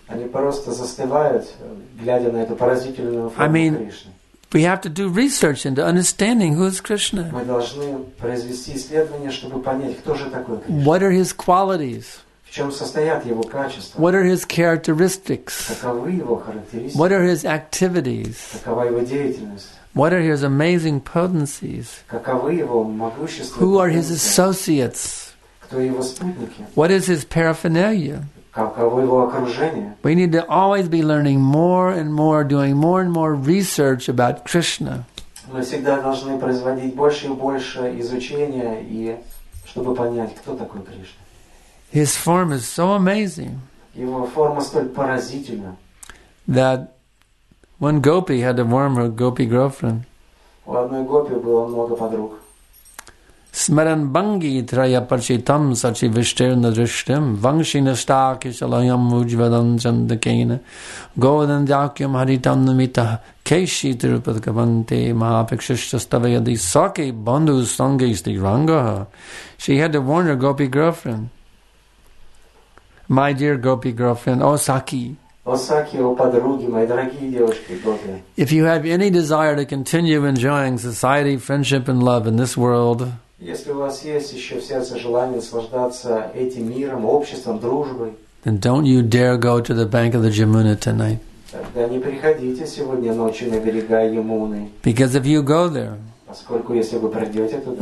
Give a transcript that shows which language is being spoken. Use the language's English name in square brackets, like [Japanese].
[Russian] Они просто застывают, глядя на эту поразительную форму Кришны. [English] We have to do research into understanding who is Krishna. [Russian] Мы должны произвести исследование, чтобы понять, кто же такой Кришна. [English] What are his qualities? [Russian] В чем состоят его качества? [English] What are his characteristics? [Russian] Каковы его характеристики? [English] What are his activities? [Russian] Какова его деятельность? [English] What are his amazing potencies? [Russian] Каковы его могущества? [English] Who are his associates? [Russian] Кто его спутники? [English] What is his paraphernalia? [Russian] Каково его окружение? [English] We need to always be learning more and more, doing more and more research about Krishna. [Russian] Мы всегда должны производить больше и больше изучения, и чтобы понять, кто такой Кришна. [English] His form is so amazing. [Russian] Его форма столь поразительна. [English] That one gopi had to warm her gopi girlfriend. [Russian] У одной гопи было много подруг. [Sanskrit] Smaran bangi traya parchitam sachi vishtirna drishtim vangshina stak ishalayam mujvadan chandakena godan jakyam haritam namita keshi tirupad kavante mahapikshishta stavayadi sake bandhu sangeisti rangaha. [English] She had to warn her gopi girlfriend. My dear gopi girlfriend, Osaki. [Russian] Osaki, о подруги, мои дорогие девушки, гопи. [English] If you have any desire to continue enjoying society, friendship and love in this world, [Russian] если у вас есть еще в сердце желание наслаждаться этим миром, обществом, дружбой, [English] then don't you dare go to the bank of the Jamuna tonight. [Russian] Тогда не приходите сегодня ночью на берега Ямуны. [English] Because if you go there, [Russian] поскольку если вы пройдете туда,